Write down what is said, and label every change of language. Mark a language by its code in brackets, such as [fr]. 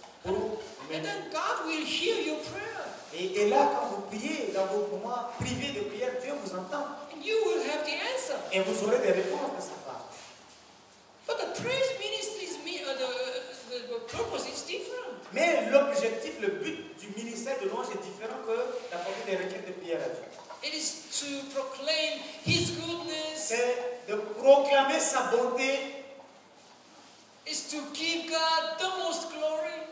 [en] And then God will hear your prayer. [fr] Et là, quand vous priez dans vos moments privés de prière, Dieu vous entend. [en] And you will have the answer. [fr] Et vous aurez des réponses de sa part. [en] But the praise ministry is the purpose is different. [fr] Mais l'objectif, le but du ministère de louange est différent que d'apporter des requêtes de prière à Dieu. [en] It is to proclaim His goodness. [fr] C'est de proclamer sa bonté. [en] It's to give God the most glory.